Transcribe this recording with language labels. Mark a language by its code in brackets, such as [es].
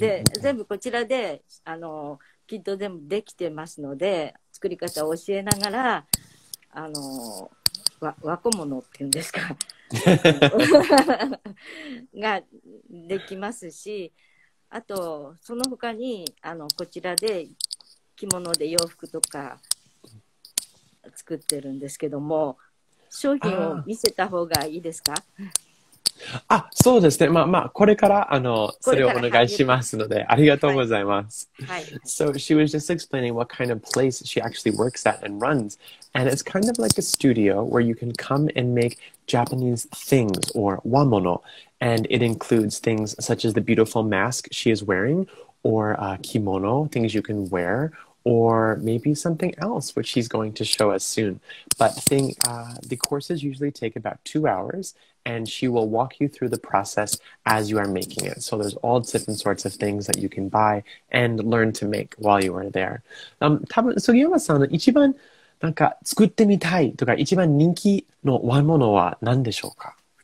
[ja] で全部こちらであのきっと全部できてますので、作り方を教えながらあの 和小物っていうんですかができますし、あとその他にあのこちらで着物で洋服とか作ってるんですけども、商品を見せた方がいいですか。あ、そうですね、まあまあこれからあのそれをお願いしますので、ありがとうございます、はいはい、 [en] So she was just explaining what kind of place she actually works at and runs, and it's kind of like a studio where you can come and make Japanese things or wamono, and it includes things such as the beautiful mask she is wearing, or kimono, things you can wearOr maybe something else, which she's going to show us soon. But the courses usually take about 2 hours, and she will walk you through the process as you are making it. So there's all different sorts of things that you can buy and learn to make while you are there. [ja] 多分、杉山さんの一番なんか作ってみたいとか一番人気の和物は何でしょうか？